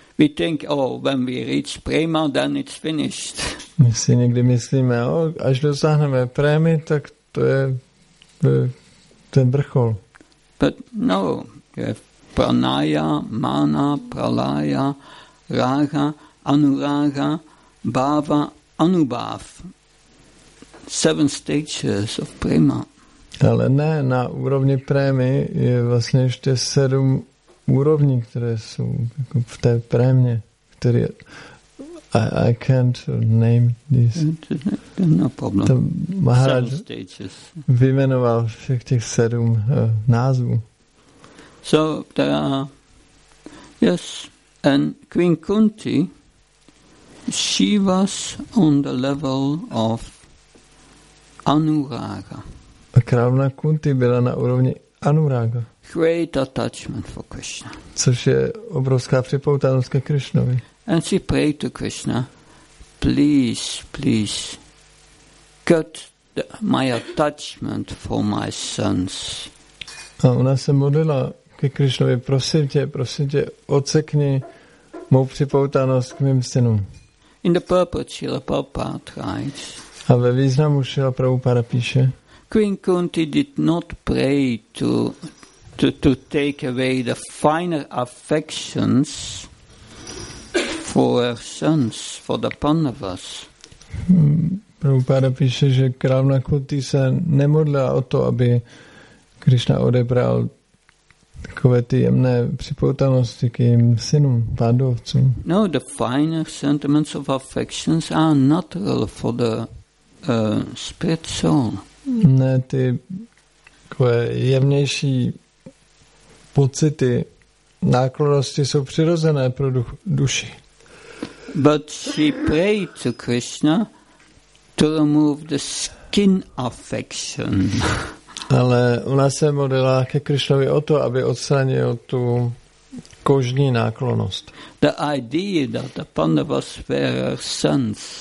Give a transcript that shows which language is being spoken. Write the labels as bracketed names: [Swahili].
[English] We think, oh, when we reach prema, then it's finished. [Czech] My si někdy myslíme, oh, až dosáhneme prémy, tak to je ten vrchol. [English] But no, pranaya, mana, pralaya, raga, anuraga, bhava, anubhav. Seven stages of prema. [Czech] Ale ne, na úrovni prémy je vlastně ještě sedm úrovní, které jsou jako v té prémě, které [English] I can't name this. No problem. [Czech] Tam Maharaj vyjmenoval všech těch sedm názvů. [English] So there are, yes, and Queen Kunti, she was on the level of Anuraga. [Czech] A královna Kunti byla na úrovni Anuraga. [English] Great attachment for Krishna. [Czech] Což je obrovská připoutanost ke Krishnovi. [English] And she prayed to Krishna, please, please, cut my attachment for my sons. [Czech] A ona se modlila ke Krishnovi, prosím tě, odsekni mou připoutanost k mým synům. [English] In the purport Srila Prabhupada writes, [Czech] a ve významu Srila Prabhupada píše, [English] Queen Kunti did not pray to take away the finer affections for her sons, for the Pandavas. [Czech] Prabhupada píše, že královna Kunti se nemodlila o to, aby Krishna odebral takové ty jemné připoutanosti k jejím synům, pandovcům. [English] No, the finer sentiments of affections are natural for the spirit soul. [Czech] Ne, ty takové jemnější pocity, náklonosti jsou přirozené pro duši. [English] But she prayed to Krishna to remove the skin affection. [Czech] Ale ona se modlila ke Krishnovi o to, aby odstranil tu kožní náklonost. [English] The idea that the Pandavas were her sons.